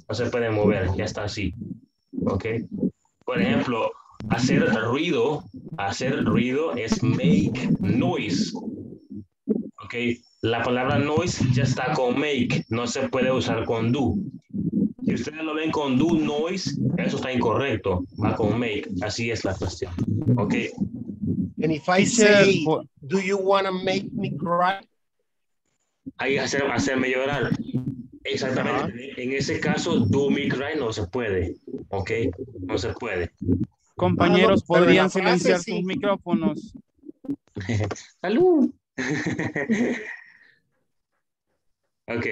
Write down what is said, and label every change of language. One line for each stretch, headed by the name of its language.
Spanish: No se puede mover. Ya está así. ¿Ok? Por ejemplo, hacer ruido es make noise. Ok, la palabra noise ya está con make, no se puede usar con do. Si ustedes lo ven con do noise, eso está incorrecto, va con make, así es la cuestión. Ok.
English: And if I say, do you want to make me cry?
Spanish: Ahí hacerme llorar. Exactamente, uh-huh. En ese caso, do me cry no se puede. Ok, no se puede. Compañeros, podrían silenciar sus micrófonos. Salud. Ok.